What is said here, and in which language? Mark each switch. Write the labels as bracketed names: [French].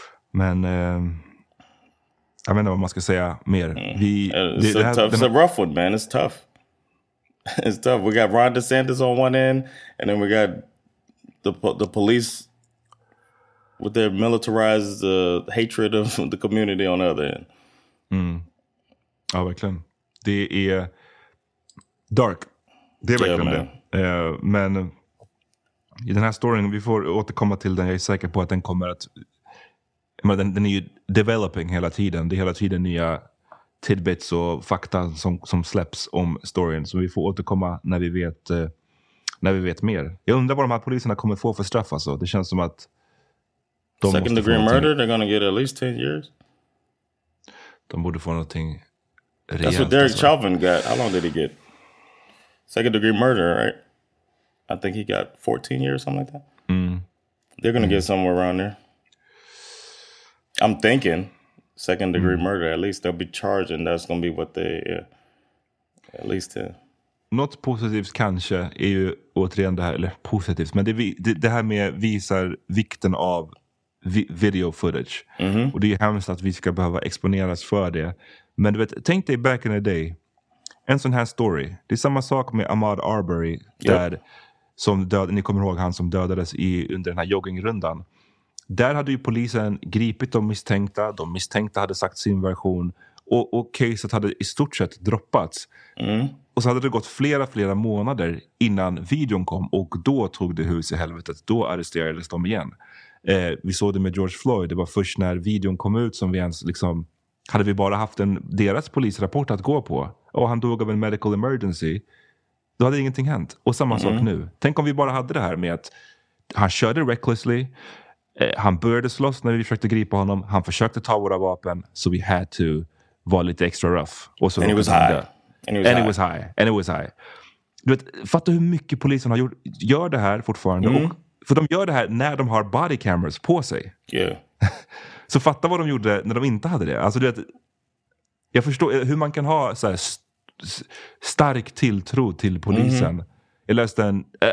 [Swedish] Men, jag vet inte vad man ska säga mer. [English] It's a rough one, man. It's tough. It's tough. We got Ron DeSantis on one end, and then we got the police with their militarized hatred of the community on the other end. [Swedish] Mm. Ja, verkligen. Det är dark. Det är verkligen det. Men i den här storyn, vi får återkomma till den. Jag är säker på att den kommer att... Men den är ju developing hela tiden. Det är hela tiden nya tidbits och fakta som släpps om storyn. Så vi får återkomma när vi vet mer. Jag undrar vad de här poliserna kommer få för straff. Alltså. Det känns som att... [English] Second degree murder, they're gonna get at least 10 years. [Swedish] De borde få någonting rejält. [English] That's what Derek Chauvin got. How long did he get? Second degree murder, right? I think he got 14 years, something like that. Mm. They're gonna get somewhere around there. I'm thinking second degree murder, at least they'll be charged and that's going to be what they at least [Swedish] Något positivt kanske är ju återigen det här, eller positivt, men det här med visar vikten av video footage. Mm-hmm. Och det är hemskt att vi ska behöva exponeras för det. Men du vet, tänk dig [English] back in the day, [Swedish] en sån här story. Det är samma sak med Ahmaud Arbery där, som ni kommer ihåg han som dödades under den här joggingrundan. Där hade ju polisen gripit de misstänkta. De misstänkta hade sagt sin version. Och caset hade i stort sett droppats. Mm. Och så hade det gått flera månader innan videon kom. Och då tog det hus i helvetet. Då arresterades de igen. Vi såg det med George Floyd. Det var först när videon kom ut som vi ens liksom... Hade vi bara haft deras polisrapport att gå på. Och han dog av en [English] medical emergency. [Swedish] Då hade ingenting hänt. Och samma sak nu. Tänk om vi bara hade det här med att han körde recklessly. Han började slåss när vi försökte gripa honom. Han försökte ta våra vapen. [English] So we had to [Swedish] vara lite extra [English] rough. [Swedish] Och så [English] and it was high. And it was high. [Swedish] Du vet, fattar hur mycket polisen har gör det här fortfarande. Mm. Och, för de gör det här när de har body cameras på sig. [English] Yeah. [Swedish] Så fatta vad de gjorde när de inte hade det. Alltså du vet, jag förstår hur man kan ha så här stark tilltro till polisen. Mm-hmm. Jag läste en...